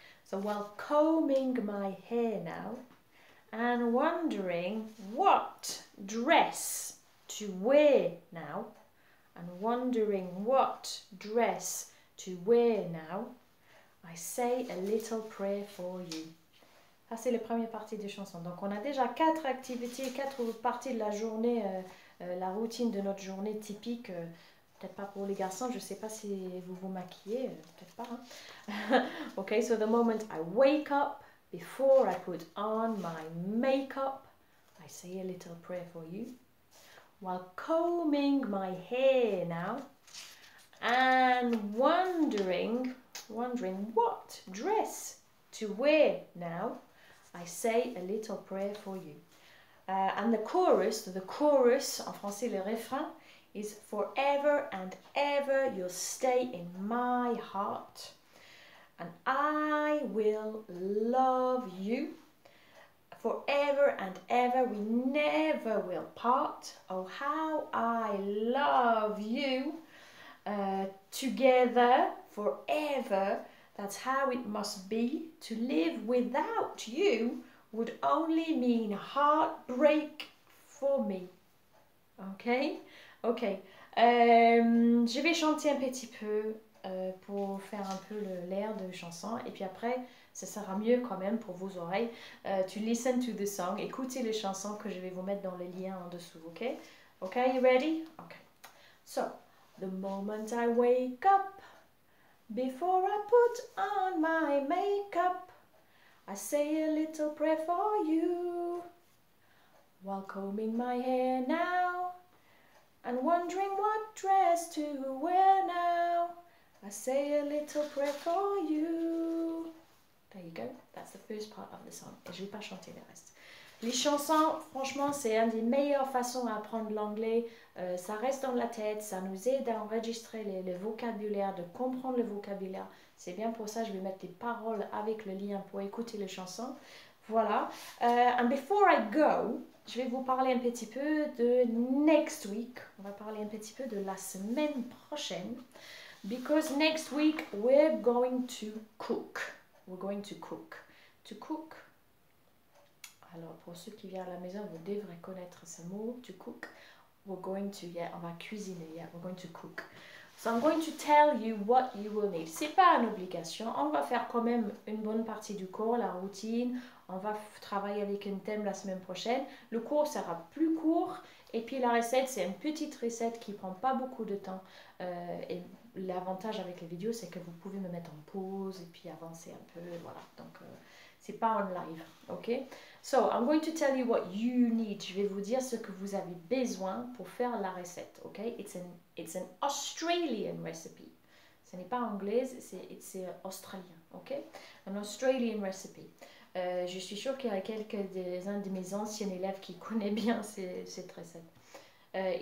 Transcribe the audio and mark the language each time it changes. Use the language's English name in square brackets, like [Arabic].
[English] So while combing my hair now and wondering what dress to wear now, and wondering what dress to wear now, I say a little prayer for you. [French] Ah, c'est la première partie des chansons. Donc, on a déjà 4 activités, 4 parties de la journée, la routine de notre journée typique. Peut-être pas pour les garçons, je ne sais pas si vous vous maquillez, peut-être pas. Hein? [English] Okay, so the moment I wake up, before I put on my makeup, I say a little prayer for you. While combing my hair now, and wondering what dress to wear now, I say a little prayer for you. And the chorus, [French] en français le refrain, [English] is forever and ever you'll stay in my heart. And I will love you forever and ever. We never will part. Oh, how I love you together forever. That's how it must be. To live without you would only mean heartbreak for me. Ok. [French] Je vais chanter un petit peu pour faire un peu l'air de chanson. Et puis après, ce sera mieux quand même pour vos oreilles. [English] To listen to the song. [French] Écoutez les chansons que je vais vous mettre dans les liens en dessous. [English] Ok. Ok, you ready? Ok. So, the moment I wake up, before I put on my makeup, I say a little prayer for you. While combing my hair now, and wondering what dress to wear now, I say a little prayer for you. There you go. That's the first part of the song. [French] Et je vais pas chanter le reste. Les chansons, franchement, c'est une des meilleures façons d'apprendre l'anglais. Ça reste dans la tête, ça nous aide à enregistrer le vocabulaire, de comprendre le vocabulaire. C'est bien pour ça, je vais mettre des paroles avec le lien pour écouter les chansons. Voilà. [English] And before I go, [French] je vais vous parler un petit peu de next week. On va parler un petit peu de la semaine prochaine. [English] Because next week, we're going to cook. We're going to cook. To cook. [French] Alors, pour ceux qui viennent à la maison, vous devrez connaître ce mot, to cook. [English] We're going to, yeah, [French] on va cuisiner, [English] yeah, we're going to cook. So I'm going to tell you what you will need. [French] C'est pas une obligation, on va faire quand même une bonne partie du cours, la routine. On va travailler avec un thème la semaine prochaine. Le cours sera plus court. Et puis la recette, c'est une petite recette qui prend pas beaucoup de temps. Et l'avantage avec les vidéos, c'est que vous pouvez me mettre en pause et puis avancer un peu, voilà. Donc, c'est pas en live, ok? [English] So, I'm going to tell you what you need. [French] Je vais vous dire ce que vous avez besoin pour faire la recette, ok? [English] It's an Australian recipe. [French] Ce n'est pas anglaise, c'est australien, ok? [English] An Australian recipe. [French] Je suis sûre qu'il y a un de mes anciens élèves qui connaît bien cette recette.